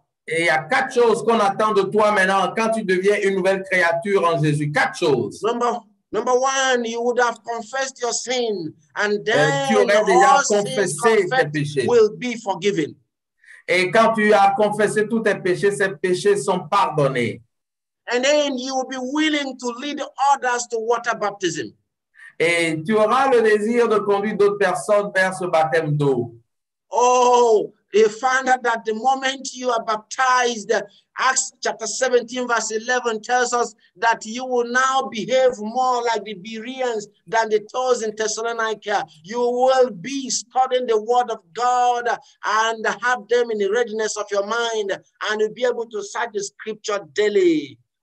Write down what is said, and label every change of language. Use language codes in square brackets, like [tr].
[fr] Et il y a quatre choses qu'on attend de toi maintenant quand tu deviens une nouvelle créature en Jésus. Quatre choses. [en] Number one, you would have confessed your sin, and then will be forgiven. [fr] Et quand tu as confessé tous tes péchés, ces péchés sont pardonnés. [en] And then you will be willing to lead others to water baptism. [fr] Et tu auras le désir de conduire d'autres personnes vers ce baptême d'eau. [en] Oh, they found out that the moment you are baptized, Acts chapter 17, verse 11 tells us that you will now behave more like the Bereans than the Thos in Thessalonica. You will be studying the word of God and have them in the readiness of your mind, and you'll be able to cite the scripture daily.